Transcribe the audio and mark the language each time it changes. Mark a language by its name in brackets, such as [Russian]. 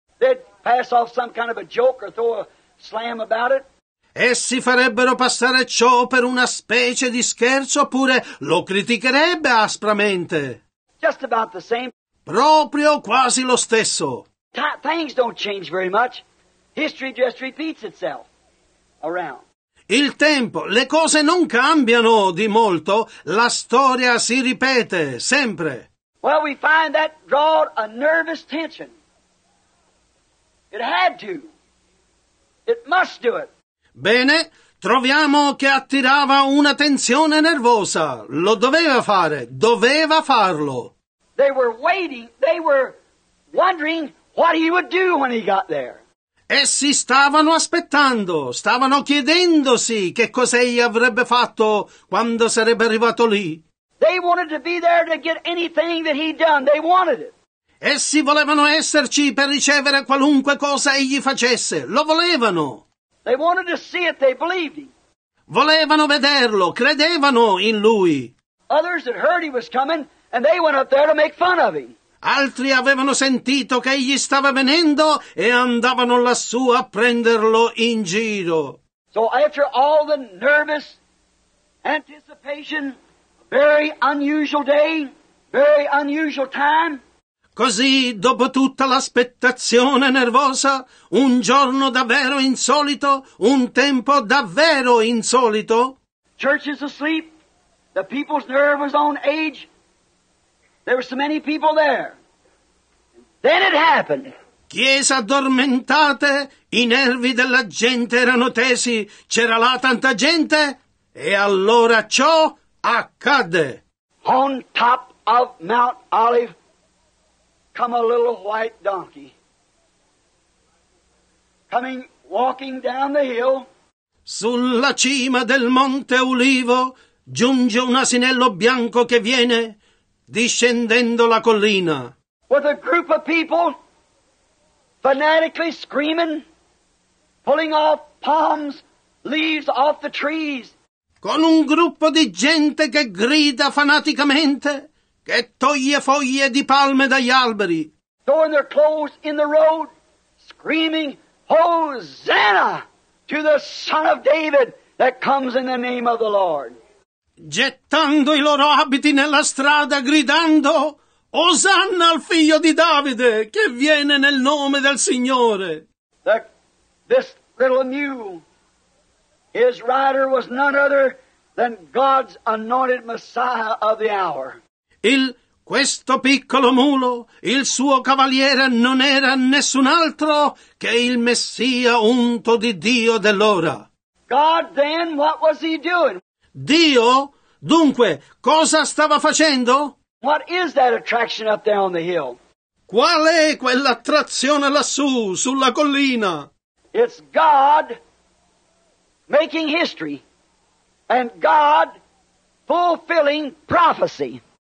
[English] They'd pass off some kind of a joke or throw a slam about it. [Italian] Essi farebbero passare ciò per una specie di scherzo oppure lo criticherebbe aspramente. [English] Just about the same. [Italian] Proprio quasi lo stesso. [English] Things don't change very much. History just repeats itself around. [Italian] Il tempo, le cose non cambiano di molto, la storia si ripete sempre. [English] Well, we find that drawed a nervous tension. It had to. It must do it. [Italian] Bene, troviamo che attirava una tensione nervosa. Lo doveva fare, doveva farlo. [English] They were waiting, they were wondering what he would do when he got there. [Italian] Essi stavano aspettando, stavano chiedendosi che cosa egli avrebbe fatto quando sarebbe arrivato lì. [English] They wanted to be there to get anything that he'd done. They wanted it. [Italian] Essi volevano esserci per ricevere qualunque cosa egli facesse. Lo volevano. [English] They wanted to see it, they believed him. [Italian] Volevano vederlo, credevano in lui. [English] Others had heard he was coming and they went up there to make fun of him. [Italian] Altri avevano sentito che egli stava venendo e andavano lassù a prenderlo in giro. [English] So after all the nervous anticipation, very unusual day, very unusual time. [Italian] Così, dopo tutta l'aspettazione nervosa, un giorno davvero insolito, un tempo davvero insolito. [English] Church is asleep. The people's nerve was on edge. There were so many people there. Then it happened. [Italian] Chiesa addormentate, i nervi della gente erano tesi, c'era là tanta gente, e allora ciò accadde. [English] On top of Mount Olive. Come a little white donkey, coming, walking down the hill. [Italian] Sulla cima del Monte Ulivo, giunge un asinello bianco che viene, discendendo la collina. [English] With a group of people, fanatically screaming, pulling off palms, leaves off the trees. [Italian] Con un gruppo di gente che grida fanaticamente, che toglie foglie di palme dagli alberi. [English] Throwing their clothes in the road, screaming, Hosanna to the Son of David that comes in the name of the Lord. [Italian] Gettando i loro abiti nella strada, gridando, Osanna al figlio di Davide che viene nel nome del Signore. [English] This little mule, his rider was none other than God's anointed Messiah of the hour. [Italian] Questo piccolo mulo, il suo cavaliere non era nessun altro che il Messia unto di Dio dell'ora. [English] God, then, what was he doing? [Italian] Dio, dunque, cosa stava facendo? [English] What is that attraction up there on the hill? [Italian] Qual è quell'attrazione lassù, sulla collina? [English] It's God making history and God fulfilling prophecy.